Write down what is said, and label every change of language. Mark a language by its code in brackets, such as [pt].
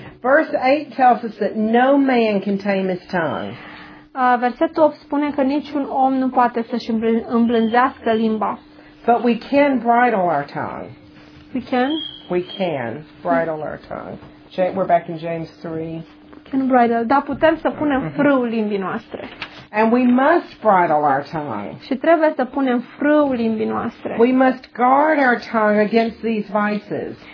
[en] Verse 8 tells us that no man can tame his tongue. [ro] Versetul 8 spune că niciun om nu poate să-și îmblânzească limba. [en] But we can bridle our tongue. We can? We can bridle our tongue. We're back in James 3. We can bridle. [ro] Da, putem să punem frâul limbii noastre. [en] And we must bridle our tongue. [ro] Și trebuie să punem frâul limbii noastre. [en] We must guard our tongue against these vices.